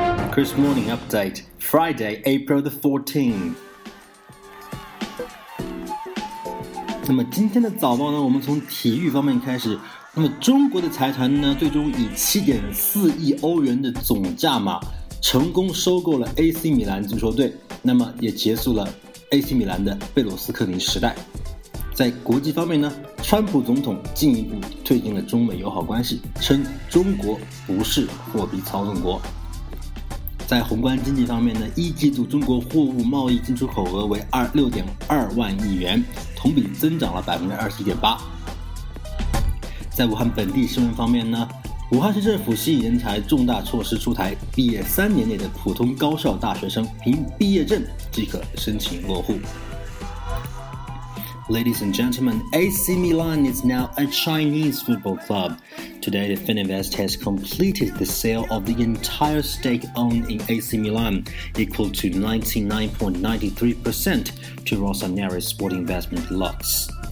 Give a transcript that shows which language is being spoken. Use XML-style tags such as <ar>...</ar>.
<en>Chris Morning Update, Friday, April the 14th.</en> <zh>那么今天的早报呢，我们从体育方面开始。那么中国的财团呢，最终以7.4亿欧元的总价码，成功收购了 AC 米兰足球队，那么也结束了 AC 米兰的贝鲁斯科尼时代。在国际方面呢，川普总统进一步推进了中美友好关系，称中国不是货币操纵国。在宏观经济方面呢，一季度中国货物贸易进出口额为26.2万亿元，同比增长了21.8%。在武汉本地新闻方面呢，武汉市政府吸引人才重大措施出台，毕业3年内的普通高校大学生凭毕业证即可申请落户。</zh> <en>Ladies and gentlemen, AC Milan is now a Chinese football club. Today, Fininvest has completed the sale of the entire stake owned in AC Milan, equal to 99.93%, to Rossoneri Sport Investment Lux.</en>